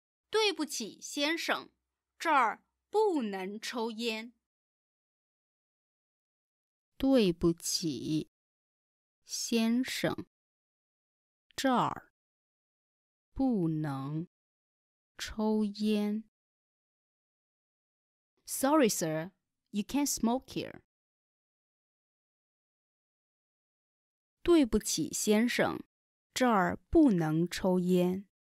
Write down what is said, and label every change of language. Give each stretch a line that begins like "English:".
Chinese: 对不起，先生，这儿不能抽烟。对不起，先生，这儿不能抽烟。
English: Sorry, sir, you can't smoke here.
Chinese: 对不起，先生，这儿不能抽烟。